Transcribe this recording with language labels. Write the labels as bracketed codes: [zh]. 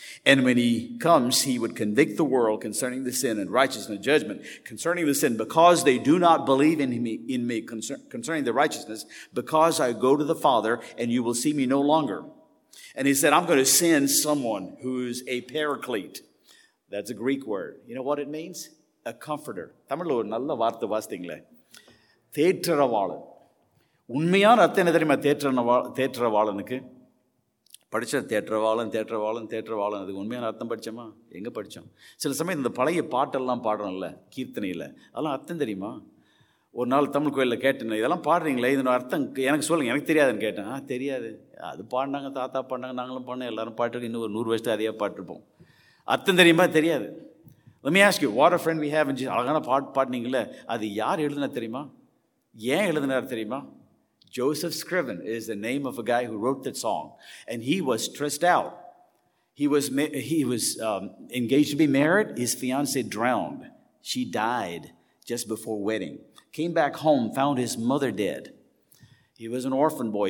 [en] And when he comes, he would convict the world concerning the sin and righteousness, judgment concerning the sin, because they do not believe in me concerning the righteousness, because I go to the Father and you will see me no longer. And he said, I'm going to send someone who's a paraclete. That's a Greek word. You know what it means? A comforter. [ta] தமிழ்ல ஒரு நல்ல வார்த்தை வாசித்தீங்களே, தேற்றரவாளன். உண்மையான அர்த்தம் என்ன தெரியுமா? தேற்றரவாளனுக்கு படித்தேன். Theatre வாழும் அதுக்கு உண்மையான அர்த்தம் படித்தோமா? எங்கே படித்தோம்? சில சமயம் இந்த பழைய பாட்டெல்லாம் பாடுறோம்ல கீர்த்தனையில், அதெல்லாம் அர்த்தம் தெரியுமா? ஒரு நாள் தமிழ் கோயிலில் கேட்டேன், இதெல்லாம் பாடுறீங்களே இதனோட அர்த்தம் எனக்கு சொல்லுங்க, எனக்கு தெரியாதுன்னு கேட்டேன். ஆ, தெரியாது, அது பாடினாங்க, தாத்தா பாடினாங்க, நாங்களும் பாடினோம், எல்லோரும் பாட்டுருக்கோம், இன்னும் ஒரு 100 வருஷத்து அதையாக பாட்டிருப்போம். அர்த்தம் தெரியுமா? தெரியாது. [en] Let me ask you, what a friend we have in Jesus. [ta] அழகான பாட்டு பாடினீங்களே, அது யார் எழுதுனா தெரியுமா? ஏன் எழுதுனார் தெரியுமா? [en] Joseph Scriven is the name of a guy who wrote that song. And he was stressed out. He was engaged to be married. His fiancée drowned. She died just before wedding. Came back home, found his mother dead. He was an orphan boy.